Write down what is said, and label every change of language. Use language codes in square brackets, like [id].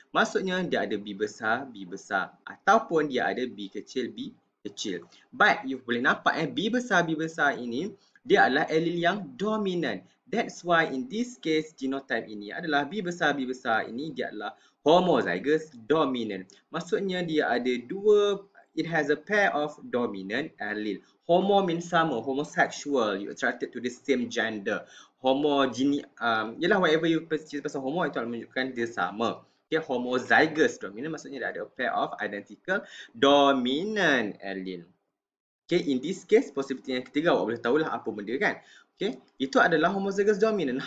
[ms] Maksudnya dia ada B besar ataupun dia ada B kecil, B kecil. [en] But you [ms] boleh nampak B besar ini dia adalah allele yang dominant. [en] That's why in this case genotype [ms] ini adalah B besar ini dia adalah [en] homozygous dominant. [ms] Maksudnya dia ada dua, [en] it has a pair of dominant allele. Homo means [ms] sama, [en] homosexual, you attracted to the same gender. [ms] Homogeneous, yelah [en] whatever you perceive [ms] pasal homo itu adalah menunjukkan dia sama. [en] Okay, homozygous dominant [ms] maksudnya dia ada [en] a pair of identical dominant allele. Okay, in this case, possibility [ms] yang ketiga awak boleh tahulah apa benda kan. Okay, itu adalah homozygous dominant.